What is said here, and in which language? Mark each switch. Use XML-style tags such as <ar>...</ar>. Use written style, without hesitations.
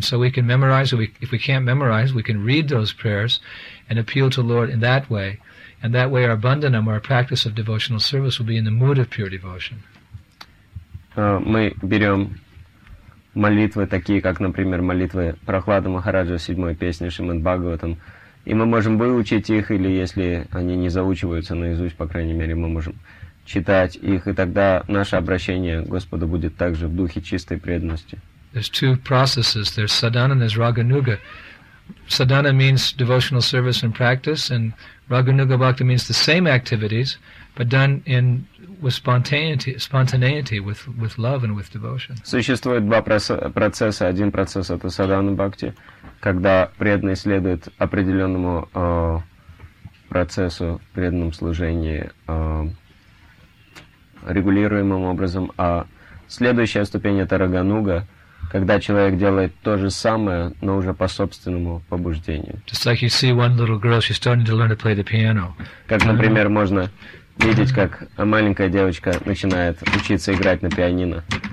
<en>So we can memorize, if we can't memorize, we can read those prayers and appeal to Lord in that way. And that way our bandhanam, our practice of devotional service, will be in the mood of pure devotion.</en> <ru>Мы берем молитвы, такие как, например, молитвы Прахлада Махараджа, седьмой песни Шримад Бхагаватам, и мы можем выучить их, или если они не заучиваются наизусть, по крайней мере, мы можем читать их, и тогда наше обращение к Господу будет также в духе чистой преданности.</ru> <en>There's two processes. There's sadhana and there's raganuga. Sadhana means devotional service and practice, and raganuga bhakti means the same activities, but done in with spontaneity with love and with devotion.</en> <ru>Существует два процесса. Один процесс это sadhana bhakti, когда преданный следует определенному процессу в преданном служении регулируемым образом, а следующая ступень это рагануга, когда человек делает то же самое, но уже по собственному побуждению.</ru> <en>Just like you see one little girl, she's starting to learn to play the piano.</en> <ru>Как, например, можно видеть, как маленькая девочка начинает учиться играть на пианино.</ru>